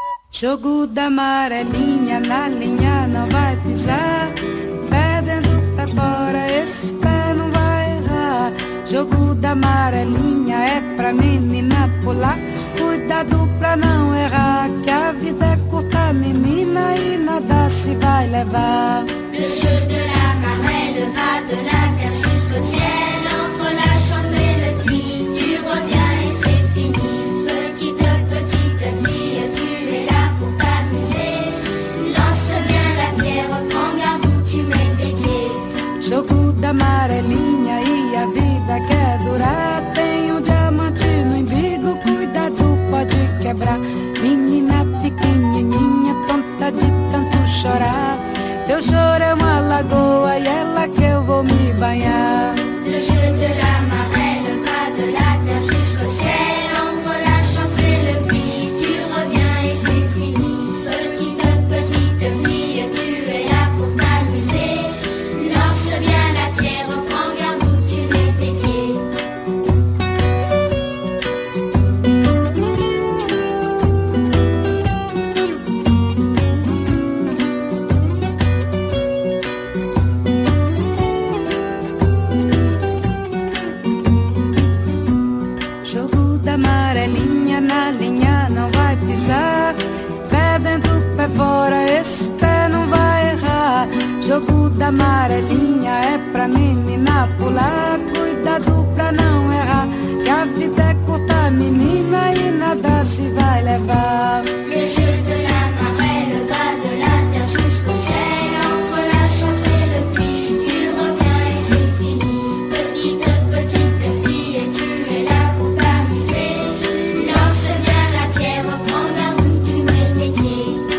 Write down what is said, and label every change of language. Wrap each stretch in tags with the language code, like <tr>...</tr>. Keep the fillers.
<pt>Jogo da amarelinha na linha não vai pisar. Pé dentro, pé fora, esse pé não vai errar. Jogo da amarelinha é pra menina pular. Cuidado pra não errar, que a vida é curta, menina, e nada se vai levar.</pt> <fr>Le jeu de la marelle va de la terre jusqu'au ciel. Entre la chance et le pli, tu reviens et c'est fini. Petite, petite fille, tu es là pour t'amuser. Lance bien la pierre, prends garde où tu mets tes pieds.</fr> <pt>Jogo da amarelinha e a vida quer durar. Tem um diamante no embigo, cuidado, pode quebrar. Menina pequenininha, tonta de tanto chorar. Teu choro é uma lagoa e é lá que eu vou me banhar.</pt> <fr>Le jeu de la marelle va de la terre jusqu'au ciel. Entre la chance et le pli, tu reviens et c'est fini. Petite, petite fille, tu es là pour t'amuser. Lance bien la pierre, prends garde où tu mets tes pieds.</fr> <pt>Jogo da amarelinha na linha não vai pisar. Pé dentro, pé fora, esse pé não vai errar. Jogo da amarelinha é pra menina pular. Cuidado pra não errar. Que a vida é curta, menina, e nada se vai levar.</pt> <fr>Le jeu de la marelle va de la terre jusqu'au ciel. Entre la chance et le pli, tu reviens et c'est fini. Petite, petite fille, tu es là pour t'amuser. Lance bien la pierre, prends la route, tu mets tes pieds.</fr>